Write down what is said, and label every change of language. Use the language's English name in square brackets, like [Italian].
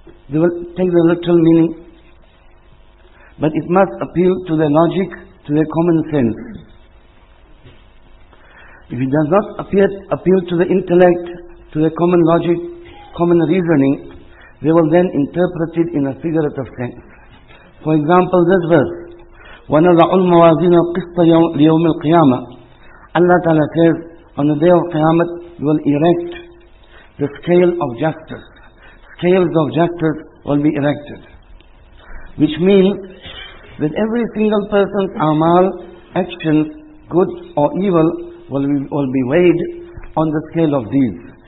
[English] they will take the literal meaning, but it must appeal to their logic, to their common sense. If it does not appeal to the intellect, to the common logic, common reasoning, they will then interpret it in a figurative sense. For example, this verse, [Arabic] وَنَضَعُ الْمَوَازِينَ الْقِسْطَ لِيَوْمِ الْقِيَامَةِ. [English] Allah Ta'ala says, on the day of Qiyamah, you will erect the scale of justice. Scales of justice will be erected. Which means that every single person's amal, actions, good or evil, will be weighed on the scale of deeds.